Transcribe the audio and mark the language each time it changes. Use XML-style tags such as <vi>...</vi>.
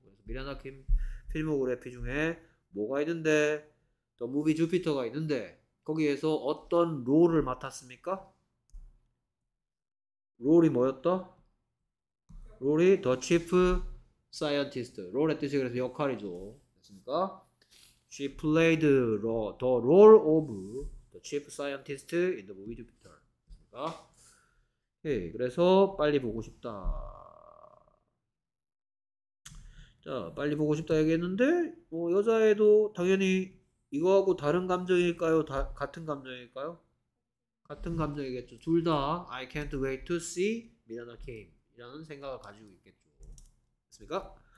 <ko>그래서 미란다 킴 필모그래피 중에 뭐가 있는데, 더 무비 주피터가 있는데 거기에서 어떤 롤을 맡았습니까? 롤이 뭐였다? 롤이 더 치프 사이언티스트. 롤의 뜻이 그래서 역할이죠. 됐습니까?</ko> <en>She played the role of the chief scientist in the movie Jupiter.</en> <ko>됐습니까? 예, 그래서 빨리 보고 싶다. 자, 빨리 보고 싶다 얘기했는데, 뭐 여자애도 당연히 이거하고 다른 감정일까요? 같은 감정일까요? 같은 감정이겠죠. 둘다</ko> <en>I can't wait to see</en> <ko>미라나 게임 이라는 생각을 가지고 있겠죠. 됐습니까?</ko>